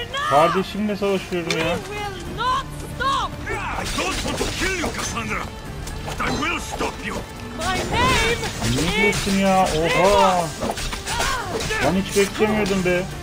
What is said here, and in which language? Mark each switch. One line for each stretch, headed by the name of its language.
Turkish: Kardeşimle savaşıyorum ya.
English: I don't want to kill you, Cassandra, but I will stop you. My name
Turkish: is... Ne diyorsun ya? Oha! Ben hiç beklemiyordum be.